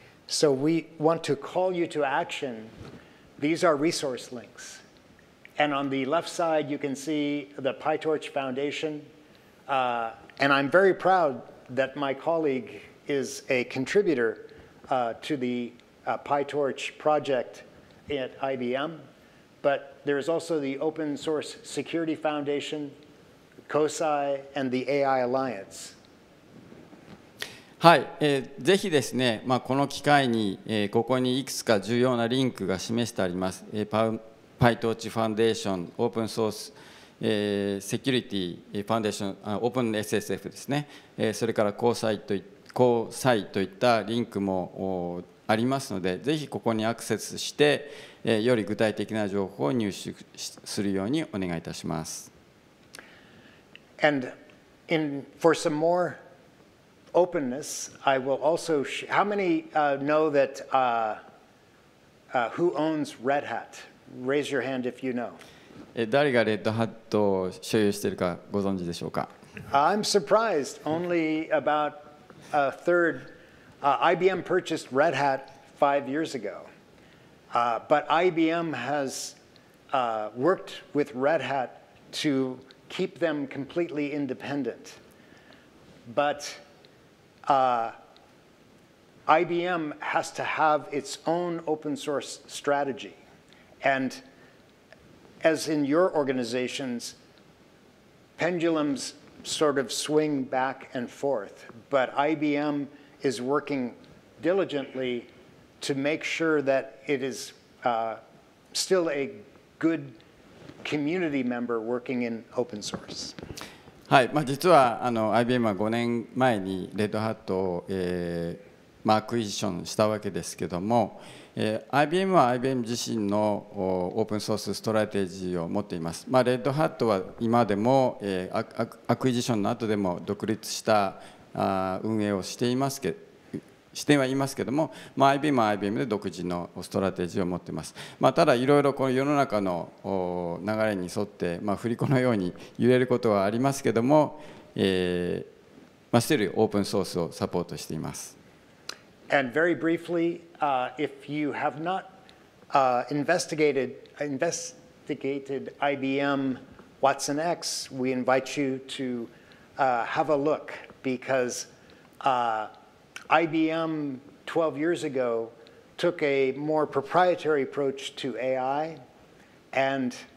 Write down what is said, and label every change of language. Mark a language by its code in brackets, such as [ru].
[en] So we want to call you to action. These are resource links. And on the left side, you can see the PyTorch Foundation. And I'm very proud that my colleague is a contributor to the PyTorch project at IBM. But there is also the Open Source Security Foundation, COSAI, and the AI Alliance. [ja] はい、ぜひですね、まあ、この機会に、ここにいくつか重要なリンクが示してあります。 PyTorch Foundation、Open Source Security Foundation、OpenSSF ですね、それから COSAI といったリンクもありますので、ぜひここにアクセスして、より具体的な情報を入手するようにお願いいたします。 [en] And in, for some more... Openness, I will also. How many know that who owns Red Hat? Raise your hand if you know. [ja] 誰がレッドハットを所有しているかご存知でしょうか? [en] I'm surprised. Only about a third. IBM purchased Red Hat 5 years ago, but IBM has worked with Red Hat to keep them completely independent. But IBM has to have its own open source strategy. And as in your organizations, pendulums sort of swing back and forth, but IBM is working diligently to make sure that it is still a good community member working in open source. [ja] はい、まあ、実はあの IBM は5年前にレッドハットを、アクイジションしたわけですけども、IBM は IBM 自身のオープンソースストラテジーを持っています。まあ、レッドハットは今でも、アクイジションの後でも独立した運営をしていますけど、視点は言いますけども、まあ、IBM は IBM で独自のストラテジーを持っています。まあ、ただ、いろいろこの世の中の流れに沿って、まあ、振り子のように揺れることはありますけども、まあ、スティルオープンソースをサポートしています。 [en] And very briefly, if you have not investigated IBM Watson X, we invite you to have a look because IBM 12 years ago took a more proprietary approach to AI, and